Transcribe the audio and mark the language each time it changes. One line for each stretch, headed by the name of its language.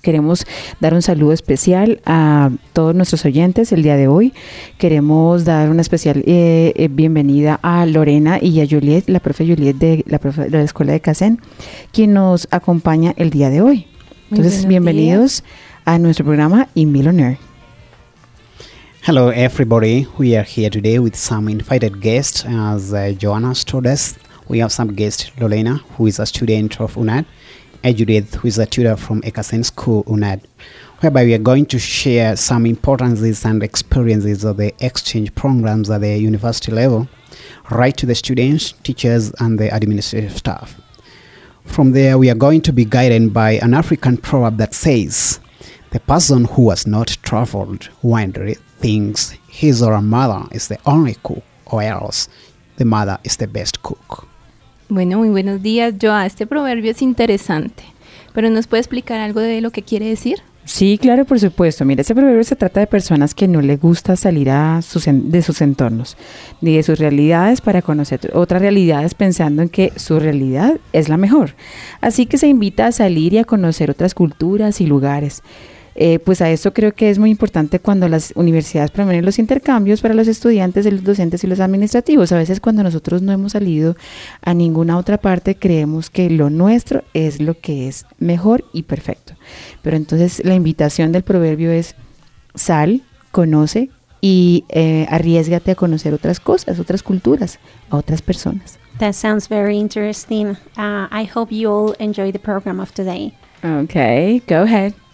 Spanish: Queremos dar un saludo especial a todos nuestros oyentes el día de hoy. Queremos dar una especial bienvenida a Lorena y a Juliet, la profe Juliet de la Escuela de CACEN, quien nos acompaña el día de hoy. Entonces, bienvenidos a nuestro programa Invid on Air.
English: Hello everybody, we are here today with some invited guests. As Joanna told us, we have some guest Lorena, who is a student of UNAD, and Judith, who is a tutor from Ekasen School UNAD, whereby we are going to share some importances and experiences of the exchange programs at the university level, right to the students, teachers, and the administrative staff. From there, we are going to be guided by an African proverb that says, the person who has not traveled wandereth, thinks his or her mother is the only cook, or else the mother is the best cook.
Spanish: Bueno, muy buenos días, Joa. Este proverbio es interesante, pero ¿nos puede explicar algo de lo que quiere decir? Sí, claro, por supuesto. Mira, ese proverbio se trata de personas que no les gusta salir de sus entornos, ni de sus realidades para conocer otras realidades pensando en que su realidad es la mejor. Así que se invita a salir y a conocer otras culturas y lugares. Pues a eso creo que es muy importante cuando las universidades promueven los intercambios para los estudiantes, los docentes y los administrativos. A veces cuando nosotros no hemos salido a ninguna otra parte, creemos que lo nuestro es lo que es mejor y perfecto. Pero entonces la invitación del proverbio es sal, conoce y arriésgate a conocer otras cosas, otras culturas, a otras personas.
English: That sounds very interesting. I hope you all enjoy the program of today. Okay, go ahead.